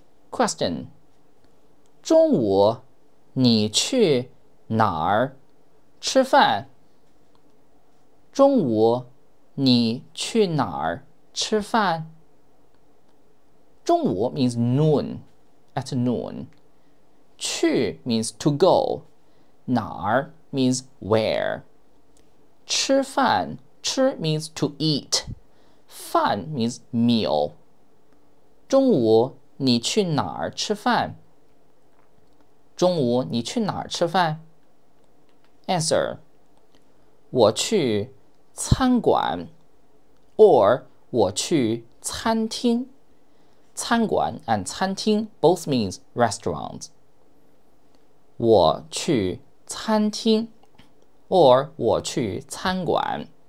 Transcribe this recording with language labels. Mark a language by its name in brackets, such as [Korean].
[Chinese] Question 中午你去哪儿吃饭中午你去哪儿吃饭中午 [English] means noon, at noon. 去 means to go. 哪儿 means where. 吃饭吃 means to eat. 饭 means meal. [Chinese] 中午你去哪儿吃饭中午你去哪儿吃饭Answer, 我去餐馆 or 我去餐厅。 [English] 餐馆 and 餐厅 both means restaurants. [Chinese] 我去餐厅 or 我去餐馆。